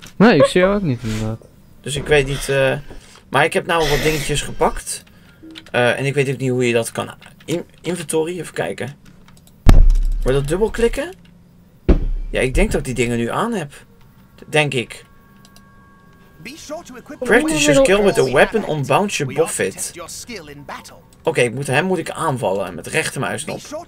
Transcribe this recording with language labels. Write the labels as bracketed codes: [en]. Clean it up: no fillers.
[nl] Nee, ik zie jou ook niet inderdaad. Dus ik weet niet, maar ik heb nou wat dingetjes gepakt. En ik weet ook niet hoe je dat kan inventory, even kijken. Wordt dat dubbelklikken? Ja, ik denk dat ik die dingen nu aan heb. Denk ik. [en] Practice your skill with a weapon on Bouncer Buffet. [nl] Oké, moet ik aanvallen met rechtermuisknop.